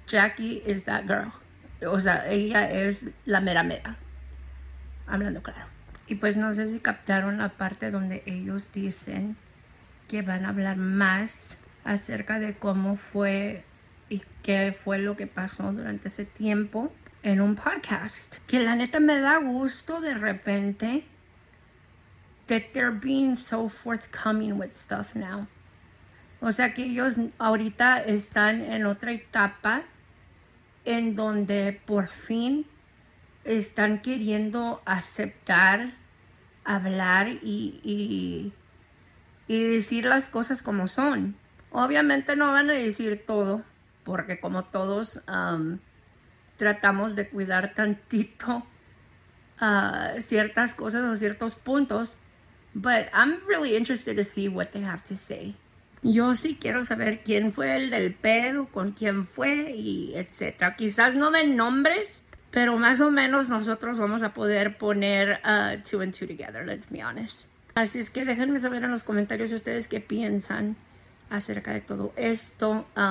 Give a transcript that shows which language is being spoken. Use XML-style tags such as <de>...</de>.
<en>Jackie is that girl.</en> <es>O sea, ella es la mera mera. Hablando claro. Y pues no sé si captaron la parte donde ellos dicen que van a hablar más acerca de cómo fue y qué fue lo que pasó durante ese tiempo en un podcast. Que la neta me da gusto de repente</es> <en>that they're being so forthcoming with stuff now.</en> <es>O sea, que ellos ahorita están en otra etapa en donde por fin están queriendo aceptar, hablar y decir las cosas como son. Obviamente no van a decir todo, porque como todos tratamos de cuidar tantito ciertas cosas o ciertos puntos.</es> <en>But I'm really interested to see what they have to say.</en> <es>Yo sí quiero saber quién fue el del pedo, con quién fue y etc. Quizás no de nombres, pero más o menos nosotros vamos a poder poner</es> <en>two and two together, let's be honest.</en> <es>Así es que déjenme saber en los comentarios ustedes qué piensan acerca de todo esto.</es>